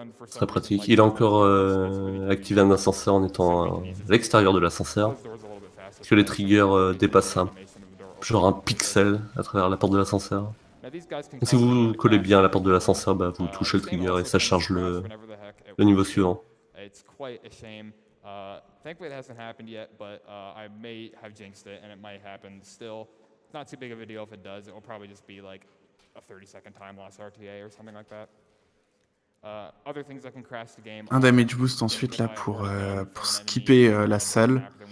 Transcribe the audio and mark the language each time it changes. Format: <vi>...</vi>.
<fr>Très pratique. Il a encore activé un ascenseur en étant à l'extérieur de l'ascenseur. Parce que les triggers dépassent genre un pixel à travers la porte de l'ascenseur. Et si vous collez bien à la porte de l'ascenseur, bah, vous touchez le trigger et ça charge le niveau suivant.</fr> <en>Thankfully, it hasn't happened yet, but I may have jinxed it, and it might happen still. It's not too big of a deal if it does. It will probably just be like a 30-second time loss RTA or something like that. Other things that can crash the game.</en> <fr>Un damage boost ensuite là pour skipper la salle.</fr>